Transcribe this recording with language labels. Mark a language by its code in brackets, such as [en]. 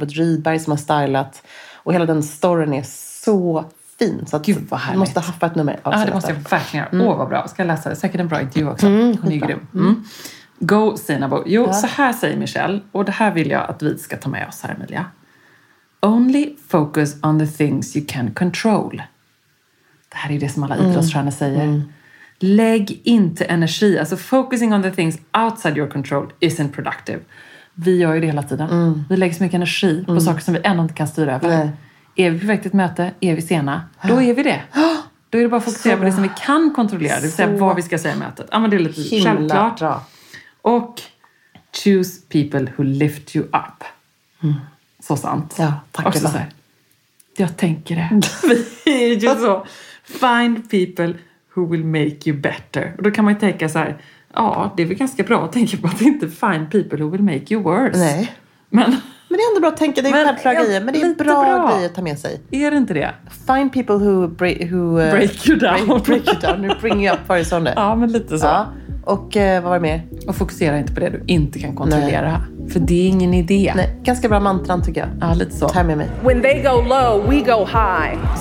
[sv] Robert Rydberg som har stylat. Och hela den storyn är så fin. Så att gud vad härligt. Du måste haffa ett nummer. Ja, det måste jag verkligen göra. Åh, vad bra. Ska jag läsa det? Säkert en bra intervju också. Hon är grym. Go, Sinabo. Jo, så här säger Michelle. Och det här vill jag att vi ska ta med oss här, Emilia. [en] Only focus on the things you can control. [sv] Det här är det som alla idrottsstjärnor säger. Lägg inte energi. [en] Alltså focusing on the things outside your control isn't productive. [sv] Vi gör ju det hela tiden. Vi lägger så mycket energi på saker som vi ännu inte kan styra över. Nej. Är vi på ett möte, är vi sena, då är vi det. Då är det bara att fokusera på det som vi kan kontrollera. Det vill säga vad vi ska säga i mötet. Ja, men det är lite självklart. Bra. [en] Och choose people who lift you up. [sv] Så sant. Ja, tack. Och så här, jag tänker det. Vi är ju så. [en] Find people who will make you better. [sv] Och då kan man ju tänka så här, ja, det är väl ganska bra att tänka på att det inte [en] find people who will make you worse. [sv] Nej. Men Men det är ändå bra att tänka, det är självklart grejer. Men det är bra grejer att ta med sig. Är det inte det? [en] Find people who break you down. Break you down, [sv] nu [en] bring you up [sv] för sån där. Ja, men lite så. Ja. Och vad var det mer? Och fokusera inte på det du inte kan kontrollera. Nej. För det är ingen idé. Nej, ganska bra mantran tycker jag. Ja, lite så. Ta med mig. [en] When they go low, we go high.